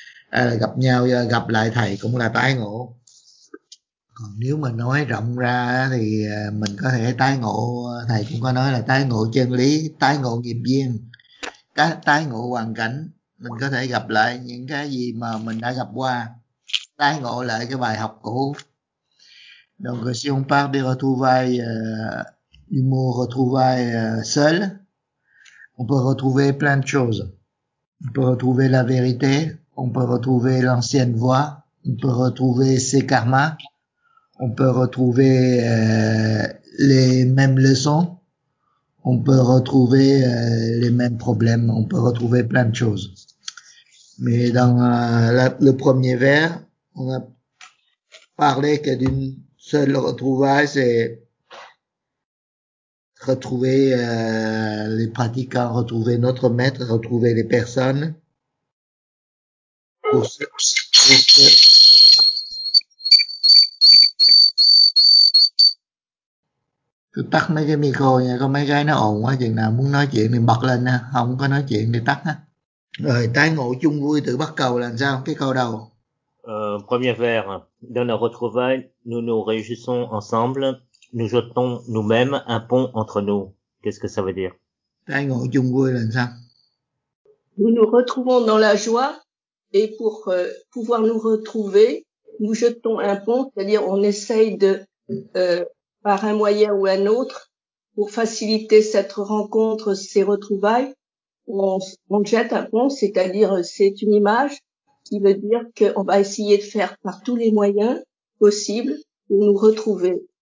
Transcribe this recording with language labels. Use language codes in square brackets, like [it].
[vi] Ai là gặp nhau, gặp lại thầy cũng là tái ngộ. Còn nếu mà nói rộng ra thì mình có thể tái ngộ, thầy cũng có nói là tái ngộ chân lý, tái ngộ nghiệp duyên, tái ngộ hoàn cảnh. Mình có thể gặp lại những cái gì mà mình đã gặp qua. Tái ngộ lại cái bài học cũ. [fr] Donc si on parle des retrouvailles, du mot retrouvailles seul, on peut retrouver plein de choses. On peut retrouver la vérité, on peut retrouver l'ancienne voie, on peut retrouver ses karmas, on peut retrouver les mêmes leçons, on peut retrouver les mêmes problèmes, on peut retrouver plein de choses. Mais dans le premier vers, on a parlé que d'une seule retrouvaille, c'est retrouver les pratiquants, retrouver notre maître, retrouver les personnes. [vi] Tu tắt mấy cái micro nha, có mấy cái nó ồn quá, chừng nào muốn nói chuyện thì bật lên nha, không có nói chuyện thì tắt ha. Rồi, tái ngộ chung vui tự bắt cầu là sao? Cái câu đầu. [fr] Premier vers, dans nos retrouvailles, nous nous réjouissons ensemble, nous jetons nous-mêmes un pont entre nous. Qu'est-ce que ça veut dire? Nous nous retrouvons dans la joie, et pour pouvoir nous retrouver, nous jetons un pont, c'est-à-dire on essaye de, par un moyen ou un autre, pour faciliter cette rencontre, ces retrouvailles, on jette un pont, c'est-à-dire c'est une image, qui veut dire qu'on va essayer de faire par tous les moyens possibles pour nous retrouver.